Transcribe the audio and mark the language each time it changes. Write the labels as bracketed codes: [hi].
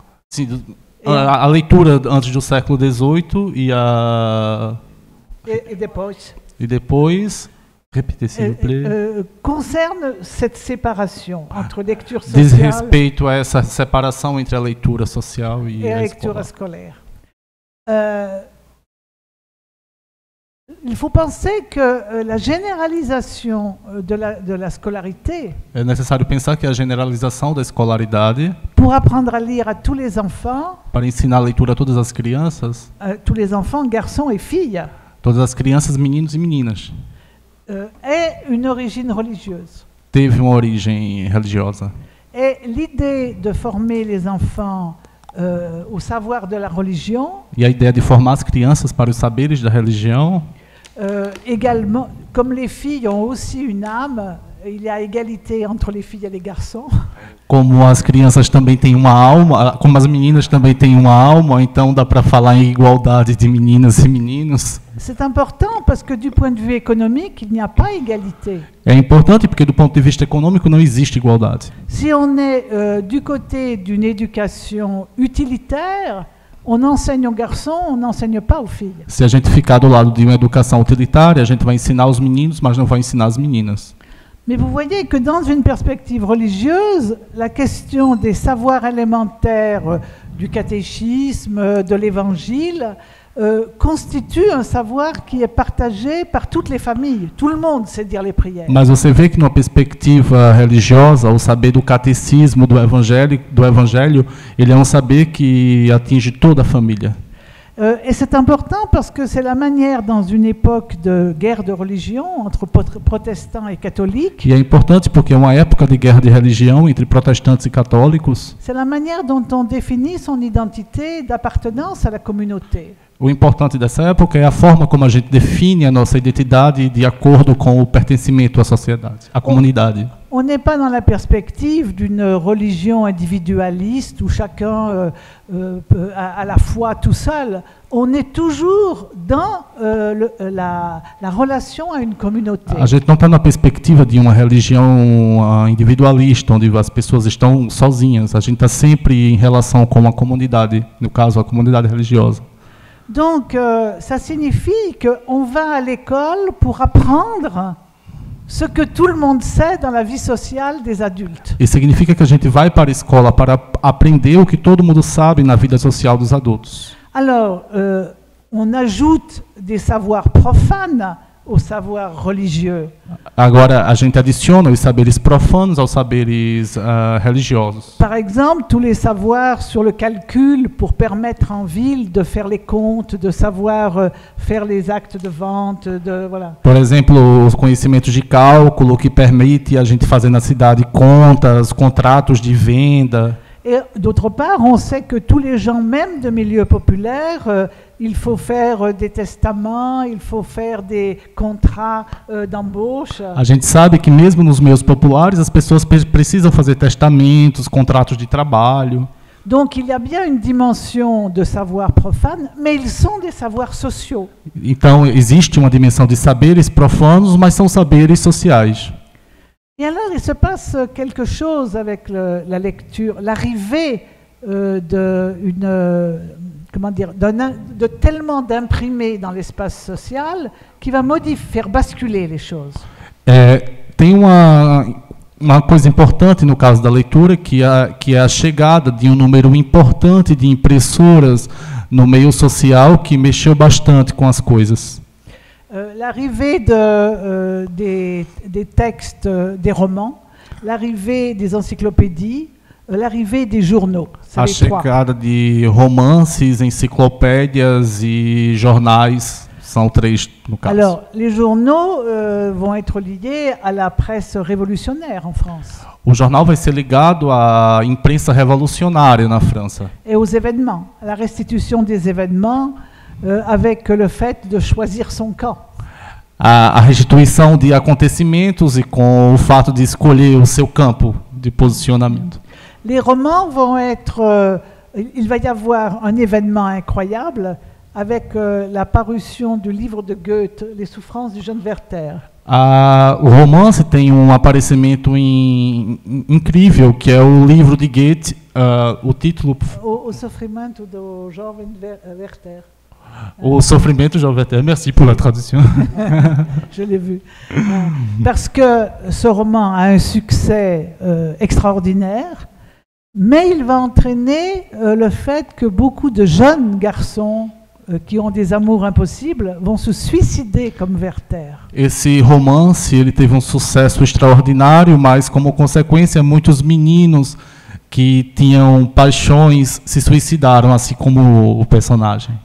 [pt] Sim, a leitura antes do século XVIII e a... E depois, [fr] répétez, s'il vous plaît. Concerne cette séparation entre lecture sociale... [pt] Diz respeito a essa separação entre a leitura social e a leitura escolar. [fr] Il faut penser que la généralisation de la scolarité. [pt] É necessário pensar que a generalização da escolaridade. [fr] Pour apprendre à lire à tous les enfants. [pt] Para ensinar a leitura a todas as crianças. [fr] Tous les enfants, garçons et filles. [pt] Todas as crianças, meninos e meninas. [fr] Est une origine religieuse. [pt] Teve uma origem religiosa. [fr] Et l'idée de former les enfants au savoir de la religion. [pt] E a ideia de formar as crianças para os saberes da religião. [fr] Également, comme les filles ont aussi une âme, il y a égalité entre les filles et les garçons. [pt] Como as crianças também têm uma alma, como as meninas também têm uma alma, então dá para falar em igualdade de meninas e meninos. [fr] C'est important parce que du point de vue économique, il n'y a pas égalité. [pt] É importante porque do ponto de vista econômico não existe igualdade. [fr] Si on est du côté d'une éducation utilitaire, on enseigne aux garçons, on n'enseigne pas aux filles. [pt] Se a gente ficar do lado de uma educação utilitária, a gente vai ensinar os meninos, mas não vai ensinar as meninas. [fr] Mais vous voyez que dans une perspective religieuse, la question des savoirs élémentaires du catéchisme, de l'évangile, constitue un savoir qui est partagé par toutes les familles. Tout le monde sait dire les prières. [pt] Mas você vê que numa perspectiva religiosa, o saber do catecismo, do evangelho, ele é um saber que atinge toda a família. [fr] Et c'est important parce que c'est la manière, dans une époque de guerre de religion entre protestants et catholiques. [pt] E é importante porque é uma época de guerra de religião entre protestantes e católicos. [fr] C'est la manière dont on définit son identité d'appartenance à la communauté. [pt] O importante dessa época é a forma como a gente define a nossa identidade de acordo com o pertencimento à sociedade, à comunidade. [fr] On n'est pas dans la perspective d'une religion individualiste où chacun a la foi tout seul. On est toujours dans la relation à une communauté. [pt] A gente não está na perspectiva de uma religião individualista, onde as pessoas estão sozinhas. A gente está sempre em relação com a comunidade, no caso, a comunidade religiosa. [fr] Donc, ça signifie qu'on va à l'école pour apprendre ce que tout le monde sait dans la vie sociale des adultes. [pt] Isso significa que a gente vai para a escola para aprender o que todo mundo sabe na vida social dos adultos. [fr] Alors, on ajoute des savoirs profanes au savoir religieux. [pt] Agora, a gente adiciona os saberes profanos aos saberes religiosos. [fr] Par exemple, tous les savoirs sur le calcul pour permettre en ville de faire les comptes, de savoir faire les actes de vente, de voilà. [pt] Por exemplo, os conhecimentos de cálculo que permite a gente fazer na cidade contas, contratos de venda. [fr] Et d'autre part, on sait que tous les gens, même de milieux populaires, il faut faire des testaments, il faut faire des contrats d'embauche. [pt] A gente sabe que mesmo nos meios populares, as pessoas precisam fazer testamentos, contratos de trabalho. [fr] Donc il y a bien une dimension de savoir profane, mais ils sont des savoirs sociaux. [pt] Então existe uma dimensão de saberes profanos, mas são saberes sociais. [fr] Et alors il se passe quelque chose avec la lecture, l'arrivée de tellement d'imprimés dans l'espace social qui va faire basculer les choses. [pt] Tem uma coisa importante no caso da leitura, que é a chegada de um número importante de impressoras no meio social que mexeu bastante com as coisas. [fr] L'arrivée des textes, des romans, l'arrivée des encyclopédies, l'arrivée des journaux. [pt] A chegada de romances, enciclopédias e jornais são três no caso. [fr] Alors, les journaux vont être liés à la presse révolutionnaire en France. [pt] O jornal vai ser ligado à imprensa revolucionária na França. [fr] Et aux événements, à la restitution des événements avec le fait de choisir son camp. [pt] A restituição de acontecimentos e com o fato de escolher o seu campo de posicionamento. [fr] Les romans vont être il va y avoir un événement incroyable avec la parution du livre de Goethe, Les souffrances du jeune Werther. [pt] O romance tem um aparecimento incrível, que é o livro de Goethe, o título O sofrimento do jovem Werther. O sofrimento de Jean Werther. [fr] Merci pour la traduction. Je l'ai vu. Parce que ce roman a un succès extraordinaire, mais il va entraîner le fait que beaucoup de jeunes garçons qui ont des amours impossibles vont se suicider comme Werther. [pt] Esse romance, ele teve um sucesso extraordinário, mas como consequência, muitos meninos que tinham paixões se suicidaram, assim como o personagem.